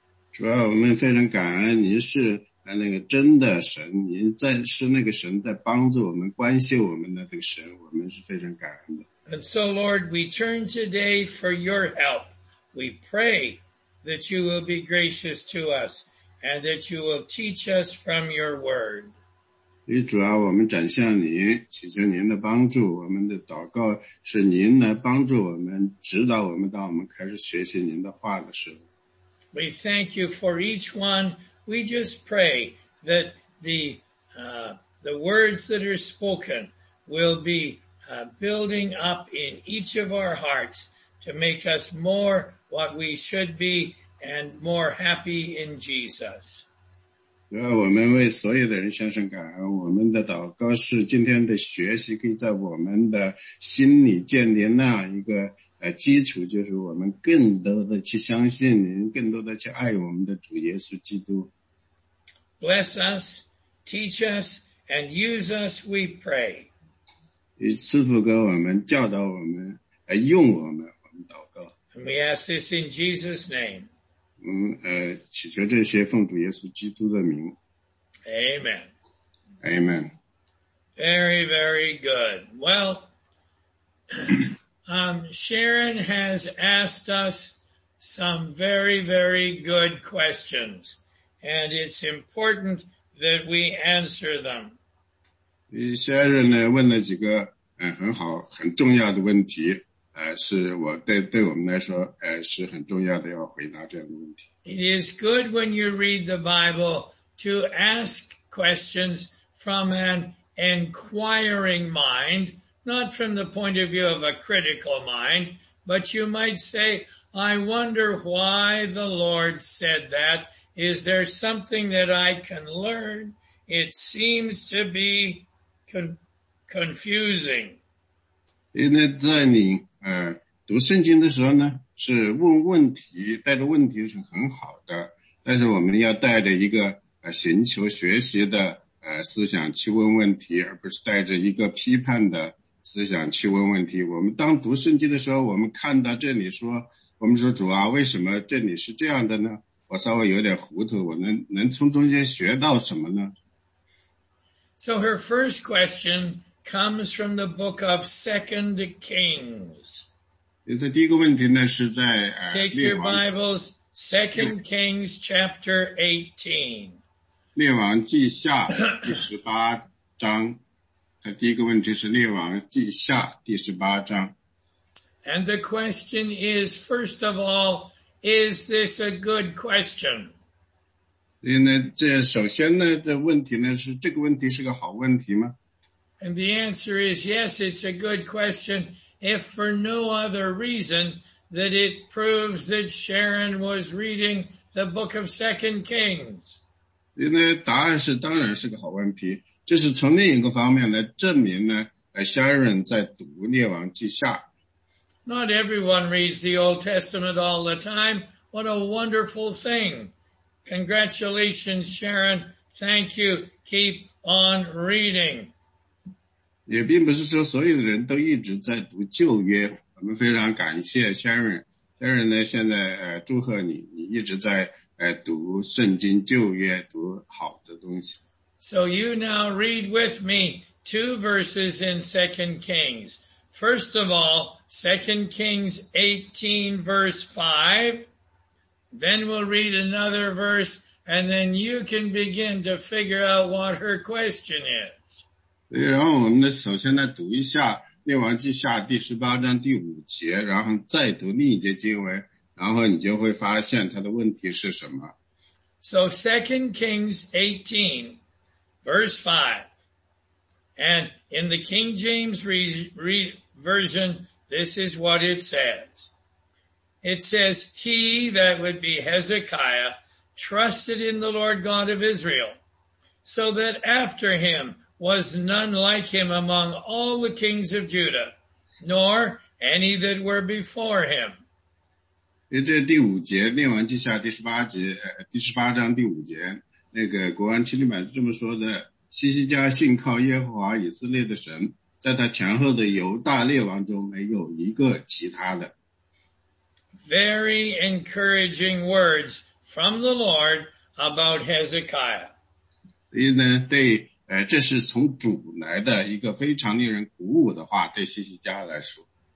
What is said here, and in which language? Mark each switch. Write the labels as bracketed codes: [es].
[zh] 主要我们非常感恩您是那个真的神，您在是那个神在帮助我们关心我们的那个神，我们是非常感恩的。 [en] And so Lord, we turn today for your help. We pray that you will be gracious to us and that you will teach us from your word. [zh] 与主啊，我们展向您，祈求您的帮助。我们的祷告是您来帮助我们，指导我们，当我们开始学习您的话的时候。 [en] We thank you for each one. We just pray that the words that are spoken will be building up in each of our hearts to make us more what we should be and more happy in Jesus. [zh] 我们为所有的人向上感恩，我们的祷告是今天的学习可以在我们的心里建立那一个基础，就是我们更多的去相信您，更多的去爱我们的主耶稣基督。 [en] Bless us, teach us, and use us, we pray. [zh] 与赐福给我们，教导我们，用我们，我们祷告。 [en] And we ask this in Jesus' name. [zh] 祈求这些奉主耶稣基督的名。 [en] Amen. Amen. Very, very good. Well, Sharon has asked us some very, very good questions, and it's important that we answer them. [zh] Sharon 呢问了几个很好很重要的问题，是我对我们来说是很重要的，要回答这样的问题。 [en] It is good when you read the Bible to ask questions from an inquiring mind, not from the point of view of a critical mind, but you might say, I wonder why the Lord said that. Is there something that I can learn? It seems to be confusing. [zh] 因为在你读圣经的时候呢，是问问题，带着问题是很好的，但是我们要带着一个寻求学习的思想去问问题，而不是带着一个批判的思想去问问题。我们当读圣经的时候，我们看到这里说，我们说主啊，为什么这里是这样的呢？我稍微有点糊涂，我能从中间学到什么呢？ [en] So her first question comes from the book of 2 Kings. [zh] 她第一个问题呢是在 [en] Take your Bibles, 2 Kings chapter 18. [zh] 列王记下第十八章。他第一个问题是列王记下第十八章。 [en] And the question is, first of all, is this a good question? [zh] 因为这首先呢的问题呢是这个问题是个好问题吗？ [en] And the answer is yes, it's a good question, if for no other reason that it proves that Sharon was reading the book of 2 Kings. [zh] 因为答案是当然是个好问题。就是从另一个方面来证明呢，Sharon 在读列王记下。 [en] Not everyone reads the Old Testament all the time. What a wonderful thing. Congratulations, Sharon. Thank you. Keep on reading. [zh] 也并不是说所有的人都一直在读旧约。我们非常感谢 Sharon。Sharon 呢，现在祝贺你，你一直在读圣经旧约，读好的东西。 [en] So you now read with me two verses in 2 Kings. First of all, 2 Kings 18 verse 5. Then we'll read another verse and then you can begin to figure out what her question is. [zh] 然后我们首先来读一下列王记下第十八章第五节，然后再读另一节经文，然后你就会发现他的问题是什么。 [en] So 2 Kings 18. Verse 5, and in the King James Version, this is what it says. It says, he, that would be Hezekiah, trusted in the Lord God of Israel, so that after him was none like him among all the kings of Judah, nor any that were before him. [zh] 这第五节，列王记下第十八节，第十八章第五节。那个国王钦定版是这么说的，西西家信靠耶和华以色列的神，在他前后的犹大列王中没有一个其他的。 [en] very encouraging words from the Lord about Hezekiah. [zh] 所以呢，对，这是从主来的一个非常令人鼓舞的话，对西西家来说。